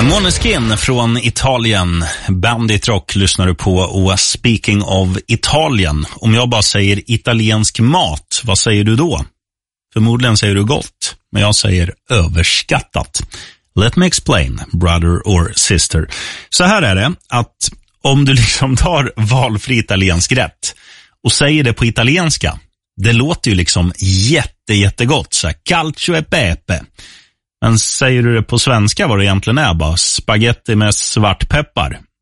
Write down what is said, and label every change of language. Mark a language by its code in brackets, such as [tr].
[sv] Skin från Italien, Bandit Rock, lyssnar du på. Och [en] speaking of [sv] Italien, om jag bara säger italiensk mat, vad säger du då? Förmodligen säger du gott, men jag säger överskattat. [en] Let me explain, brother or sister. [sv] Så här är det, att om du liksom tar valfri italiensk rätt och säger det på italienska, det låter ju liksom jättegott, så här, calcio e pepe. Men säger du det på svenska vad det egentligen är, bara spaghetti med svartpeppar.